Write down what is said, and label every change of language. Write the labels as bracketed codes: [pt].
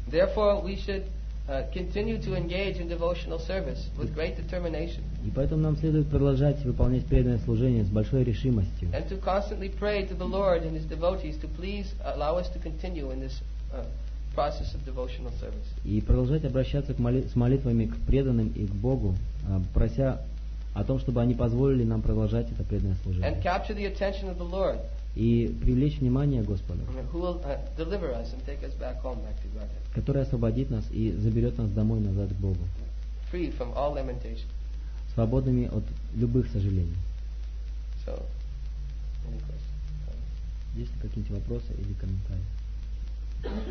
[en] Therefore, we should continue to engage in devotional service with great determination. [ru] И поэтому нам следует продолжать выполнять преданное служение с большой решимостью. [en] And to constantly pray to the Lord and His devotees to please allow us to continue in this process of devotional service. [ru] И продолжать обращаться с молитвами к преданным и к Богу, прося о том, чтобы они позволили нам продолжать это преданное служение. [en] And capture the attention of the Lord. [ru] И привлечь внимание Господа, [en] who will deliver us and take us back home, back to God. [ru] Который освободит нас и заберет нас домой назад к Богу. [en] Free from all lamentation. [ru] Свободными от любых сожалений. [en] So, any questions? [ru] Есть ли какие-нибудь вопросы или комментарии?